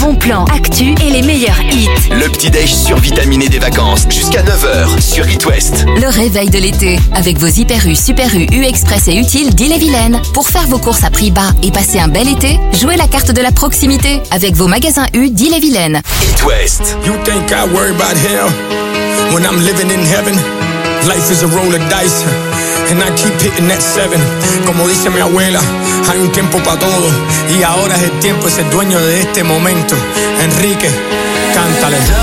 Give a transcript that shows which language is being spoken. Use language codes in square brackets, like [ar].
[fr] Bon plan, actu et les meilleurs hits. Le petit déj survitaminé des vacances jusqu'à 9h sur Hit West. Le réveil de l'été avec vos Hyper U, Super U, U Express et Utile d'Ille-et-Vilaine. Pour faire vos courses à prix bas et passer un bel été, jouez la carte de la proximité avec vos magasins U d'Ille-et-Vilaine. Hit West. [en] You think I worry about hell when I'm living in heaven? Life is a roll of dice. And I keep hitting that 7. [es] Como dice mi abuela, hay un tiempo para todo. Y ahora es el tiempo, es el dueño de este momento. Enrique, cántale.